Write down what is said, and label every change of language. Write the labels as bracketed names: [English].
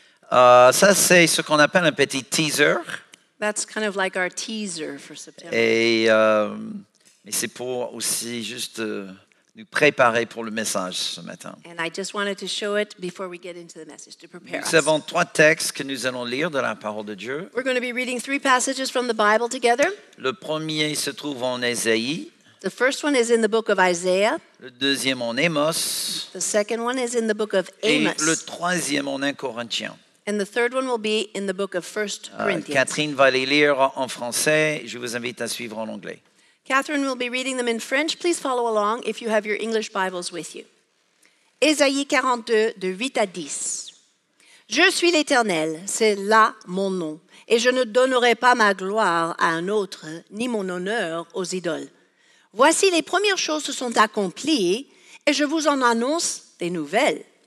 [French] Ça, c'est ce qu'on appelle un petit teaser. [English] That's kind of like our teaser for September. [French] Et c'est pour aussi juste nous préparer pour le message ce matin. [English] And I just wanted to show it before we get into the message, to prepare [French] nous [English] us. [French] Nous avons trois textes que nous allons lire de la parole de Dieu. [English] We're going to be reading three passages from the Bible together. [French] Le premier se trouve en Ésaïe. [English] The first one is in the book of Isaiah. [French] Le deuxième en Amos. [English] The second one is in the book of Amos. [French] Et le troisième en 1 Corinthiens. [English] And the third one will be in the book of 1 Corinthians. [French] Kathryn va les lire en français. Je vous invite à suivre en anglais. [English] Kathryn will be reading them in French. Please follow along if you have your English Bibles with you. [French] Ésaïe 42, de 8 à 10. Je suis l'Éternel, c'est là mon nom, et je ne donnerai pas ma gloire à un autre, ni mon honneur aux idoles. Voici, les premières choses se sont accomplies et je vous en annonce des nouvelles.